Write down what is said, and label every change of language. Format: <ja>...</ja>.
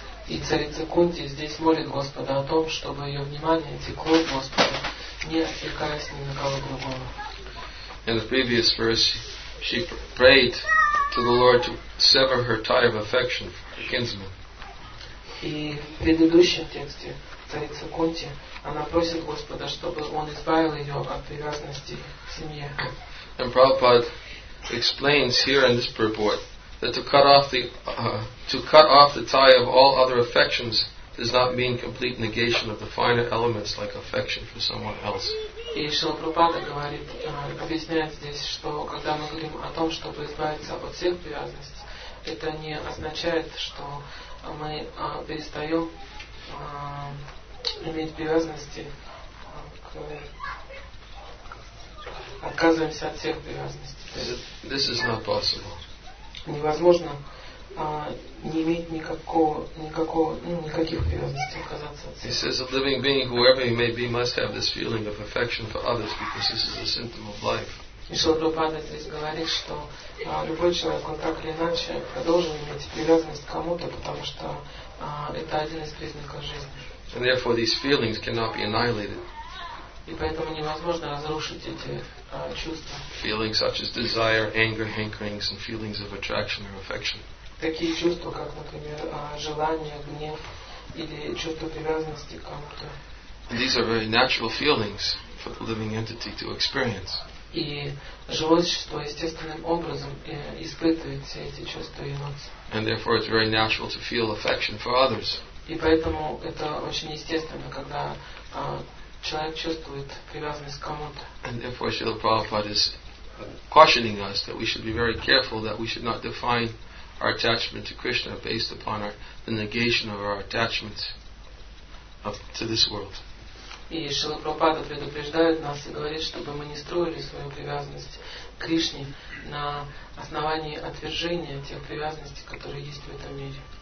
<ru>И царица Кунти здесь молит Господа о том, чтобы ее внимание текло к Господу, не отвлекаясь ни на кого другого.</ru> <en>In the previous verse, she prayed to the Lord to sever her tie of affection for her kinsman.</en> <ru>И в предыдущем тексте царица Кунти, она просит Господа, чтобы он избавил ее от привязанности к семье.</ru> <en>And Prabhupada explains here in this purport that to cut off the tie of all other affections does not mean complete negation of the finer elements like affection for someone else.</en> <ru>И Шрила Прабхупада говорит, объясняет здесь, что когда мы говорим о том, чтобы избавиться от всех привязанностей, это не означает, что мы перестаем иметь привязанности к... отказываемся от всех привязанностей.</ru> <en>This is not possible.</en> <ru>Невозможно не иметь никаких привязанностей, отказаться от всех.</ru> <en>He says, a living being, whoever he may be, must have this feeling of affection for others, because this is a symptom of life.</en> <ru>И Шрила Прабхупада здесь говорит, что любой человек, он так или иначе, должен иметь привязанность к кому-то, потому что это один из признаков жизни.</ru> <en>And therefore these feelings cannot be annihilated.</en> <ru>И поэтому невозможно разрушить эти чувства.</ru> <en>Feelings such as desire, anger, hankerings, and feelings of attraction or affection.</en> <ru>Такие чувства, как, например, желание, гнев или чувство привязанности к кому-то.</ru> <en>These are very natural feelings for the living entity to experience.</en> <ru>И живое существо естественным образом испытывает все эти чувства и эмоции.</ru> <en>And therefore it's very natural to feel affection for others.</en> <ru>И поэтому это очень естественно, когда человек чувствует привязанность к кому-то.</ru> <en>And therefore Srila Prabhupada is cautioning us that we should be very careful that we should not define our attachment to Krishna based upon the negation of our attachment to this world.</en> <ru>И Шрила Прабхупада предупреждает нас и говорит, чтобы мы не строили свою привязанность к Кришне на основании отвержения тех привязанностей, которые есть в этом мире.</ru>